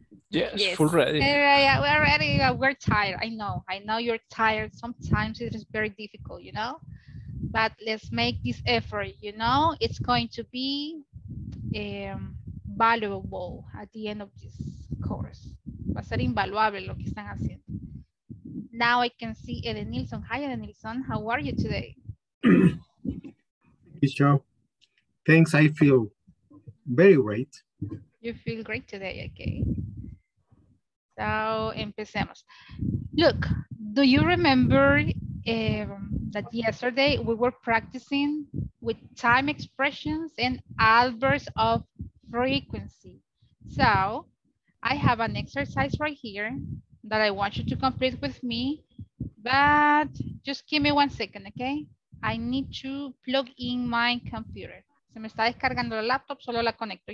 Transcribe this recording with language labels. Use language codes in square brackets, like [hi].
[en] Yes, full ready. Yeah, we're ready. We're tired. I know you're tired. Sometimes it is very difficult, you know, but let's make this effort. You know, it's going to be valuable at the end of this course. [es] Va a ser invaluable lo que están haciendo. [en] Now I can see Eden Nilsson. Hi, Eden Nilsson. How are you today? Thanks. I feel very great. You feel great today. Okay. So, [es] empecemos. [en] Look, do you remember that yesterday we were practicing with time expressions and adverbs of frequency? So, I have an exercise right here that I want you to complete with me, but just give me 1 second, okay? I need to plug in my computer. [es] Se me está descargando la laptop, solo la conecto.